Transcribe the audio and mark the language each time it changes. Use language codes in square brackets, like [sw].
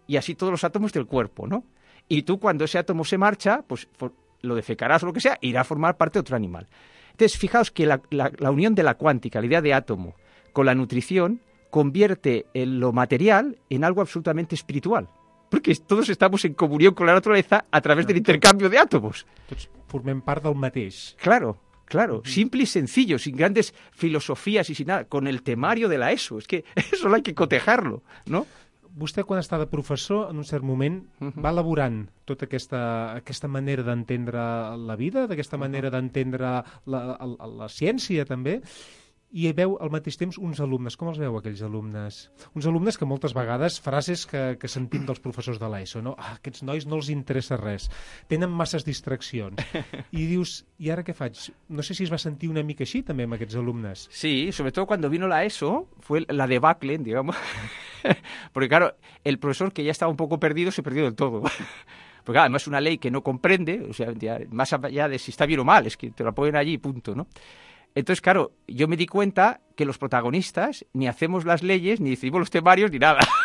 [es] Y así todos los átomos del cuerpo, ¿no? Y tú, cuando ese átomo se marcha, pues lo defecarás o lo que sea, irá a formar parte de otro animal. Entonces, fijaos que la unión de la cuántica, la idea de átomo, con la nutrición, convierte lo material en algo absolutamente espiritual. [ca] Perquè tots estem en comunió amb la naturaleza a través de l'intercanvi d'àtomos. Tots formem part del mateix. [es] Claro, claro. Mm-hmm. Simple y sencillo, sin grandes filosofías y sin nada, con el temario de la ESO. Es que eso hay que cotejarlo, ¿no? [ca] Vostè, quan està de professor, en un cert moment, mm-hmm. va elaborant tota aquesta manera d'entendre la vida, d'aquesta manera d'entendre la ciència, també, i veu al mateix temps uns alumnes. Com els veu, aquells alumnes? Uns alumnes que moltes vegades, frases que sentim dels professors de l'ESO, no? Ah, aquests nois no els interessa res, tenen masses distraccions. I dius, i ara què faig? No sé si es va sentir una mica així també amb aquests alumnes. [es] Sí, sobretot quan vino la ESO, fue la debacle, digamos. Porque claro, el profesor que ya estaba un poco perdido, se perdió del todo. Porque además es una ley que no comprende, o sea, ya, más allá de si está bien o mal, es que te la ponen allí, punto, ¿no? Entonces, claro, yo me di cuenta que los protagonistas ni hacemos las leyes, ni decidimos los temarios, ni nada.